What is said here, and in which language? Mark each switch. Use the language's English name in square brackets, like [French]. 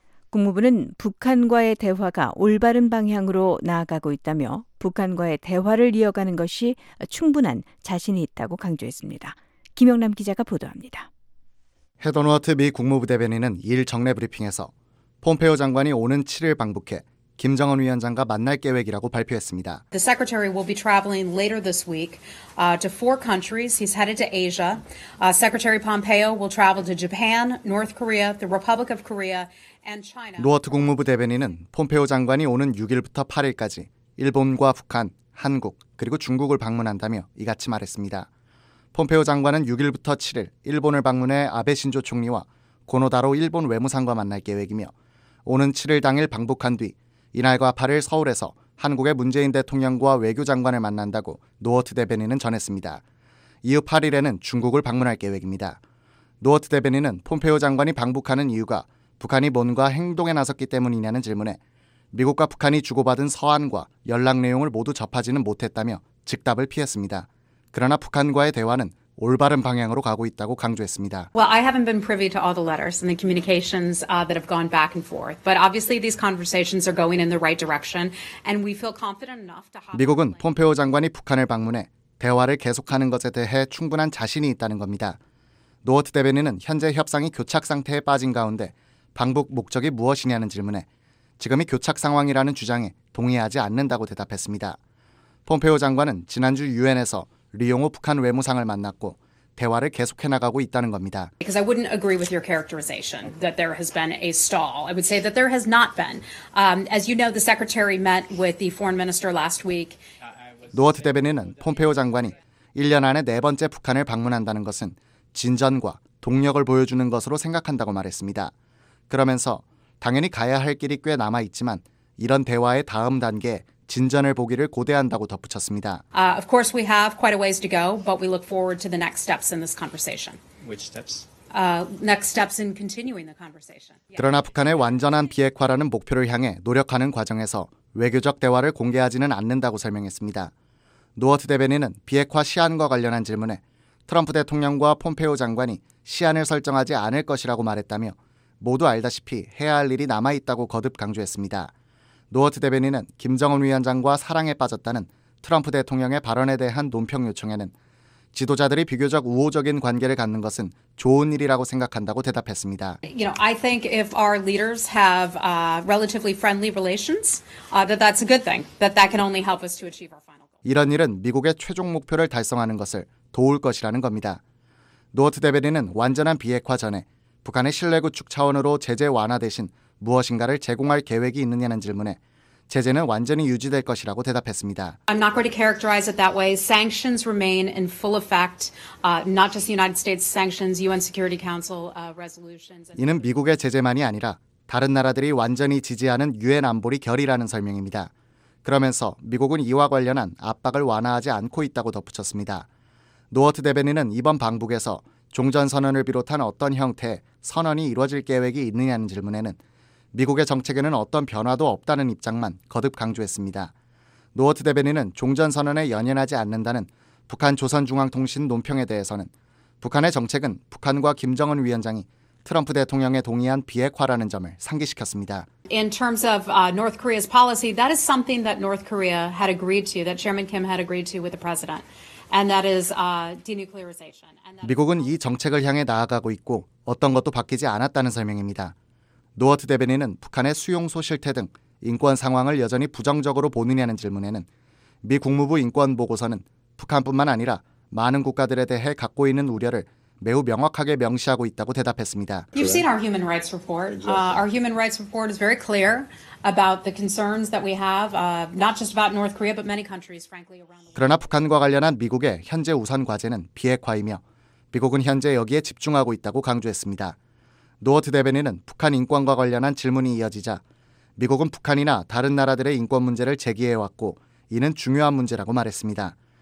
[Korean] 국무부는 북한과의 대화가 올바른 방향으로 나아가고 있다며 북한과의 대화를 이어가는 것이 충분한 자신이 있다고 강조했습니다. 김영남 기자가 보도합니다. 헤더노아트 미 국무부 대변인은 2일 정례 브리핑에서 폼페오 장관이 오는 7일 방북해 김정은 위원장과 만날 계획이라고 발표했습니다. [English] The secretary will be traveling later this week to four countries. He's headed to Asia. Secretary Pompeo will travel to Japan, North Korea, the Republic of Korea, and China. [Korean] 노아트 국무부 대변인은 폼페오 장관이 오는 6일부터 8일까지 일본과 북한, 한국 그리고 중국을 방문한다며 이같이 말했습니다. 폼페오 장관은 6일부터 7일 일본을 방문해 아베 신조 총리와 고노다로 일본 외무상과 만날 계획이며 오는 7일 당일 방북한 뒤 이날과 8일 서울에서 한국의 문재인 대통령과 외교장관을 만난다고 노어트 대변인은 전했습니다. 이후 8일에는 중국을 방문할 계획입니다. 노어트 대변인은 폼페오 장관이 방북하는 이유가 북한이 뭔가 행동에 나섰기 때문이냐는 질문에 미국과 북한이 주고받은 서한과 연락 내용을 모두 접하지는 못했다며 즉답을 피했습니다. 그러나 북한과의 대화는 올바른 방향으로 가고 있다고 강조했습니다. [English] Well, I haven't been privy to all the letters and the communications that have gone back and forth. But obviously these conversations are going in the right direction and we feel confident enough to [Korean] 미국은 폼페오 장관이 북한을 방문해 대화를 계속하는 것에 대해 충분한 자신이 있다는 겁니다. 노어트 대변인은 현재 협상이 교착 상태에 빠진 가운데 방북 목적이 무엇이냐는 질문에 지금이 교착 상황이라는 주장에 동의하지 않는다고 대답했습니다. 폼페오 장관은 지난주 유엔에서 리용호 북한 외무상을 만났고 대화를 계속해 나가고 있다는 겁니다. [English] Because I wouldn't agree with your characterization that there has been a stall. I would say that there has not been. As you know, the secretary met with the foreign minister last week. [Korean] 노어트 대변인은 폼페오 장관이 1년 안에 네 번째 북한을 방문한다는 것은 진전과 동력을 보여주는 것으로 생각한다고 말했습니다. 그러면서 당연히 가야 할 길이 꽤 남아 있지만 이런 대화의 다음 단계 진전을 보기를 고대한다고 덧붙였습니다. [English] Of course we have quite a ways to go, but we look forward to the next steps in this conversation. Which steps? Next steps in continuing the conversation. [Korean] 그러나 북한의 완전한 비핵화라는 목표를 향해 노력하는 과정에서 외교적 대화를 공개하지는 않는다고 설명했습니다. 노어트 대변인은 비핵화 시한과 관련한 질문에 트럼프 대통령과 폼페오 장관이 시한을 설정하지 않을 것이라고 말했다며 모두 알다시피 해야 할 일이 남아 있다고 거듭 강조했습니다. 노어트 대변인은 김정은 위원장과 사랑에 빠졌다는 트럼프 대통령의 발언에 대한 논평 요청에는 지도자들이 비교적 우호적인 관계를 갖는 것은 좋은 일이라고 생각한다고 대답했습니다. [English] You know, I think if our leaders have relatively friendly relations, that's a good thing. That can only help us to achieve our final goal. [Korean] 이런 일은 미국의 최종 목표를 달성하는 것을 도울 것이라는 겁니다. 노어트 대변인은 완전한 비핵화 전에 북한의 신뢰 구축 차원으로 제재 완화 대신 무엇인가를 제공할 계획이 있느냐는 질문에 제재는 완전히 유지될 것이라고 대답했습니다. [English] I'm not going to characterize it that way. Sanctions remain in full effect. Not just the United States sanctions, UN Security Council resolutions. [Korean] 이는 미국의 제재만이 아니라 다른 나라들이 완전히 지지하는 유엔 안보리 결의라는 설명입니다. 그러면서 미국은 이와 관련한 압박을 완화하지 않고 있다고 덧붙였습니다. 노어트 대변인은 이번 방북에서 종전선언을 비롯한 어떤 형태의 선언이 이루어질 계획이 있느냐는 질문에는 미국의 정책에는 어떤 변화도 없다는 입장만 거듭 강조했습니다. 노어트 대변인은 종전선언에 연연하지 않는다는 북한 조선중앙통신 논평에 대해서는 북한의 정책은 북한과 김정은 위원장이 트럼프 대통령의 동의한 비핵화라는 점을 상기시켰습니다. [English] In terms of North Korea's policy, that is something that North Korea had agreed to, that Chairman Kim had agreed to with the president. And that is denuclearization. [Korean] 미국은 이 정책을 향해 나아가고 있고 어떤 것도 바뀌지 않았다는 설명입니다. 노어트 대변인은 북한의 수용소 실태 등 인권 상황을 여전히 부정적으로 보느냐는 질문에는 미 국무부 인권 보고서는 북한뿐만 아니라 많은 국가들에 대해 갖고 있는 우려를 매우 명확하게 명시하고 있다고 대답했습니다. [English] You've seen our human rights report. Our human rights report is very clear about the concerns that we have, not just about North Korea, but many countries, frankly, around the world. [Korean] 그러나 북한과 관련한 미국의 현재 우선 과제는 비핵화이며 미국은 현재 여기에 집중하고 있다고 강조했습니다. 노어트 대변인은 북한 인권과 관련한 질문이 이어지자 미국은 북한이나 다른 나라들의 인권 문제를 제기해왔고 이는 중요한 문제라고 말했습니다.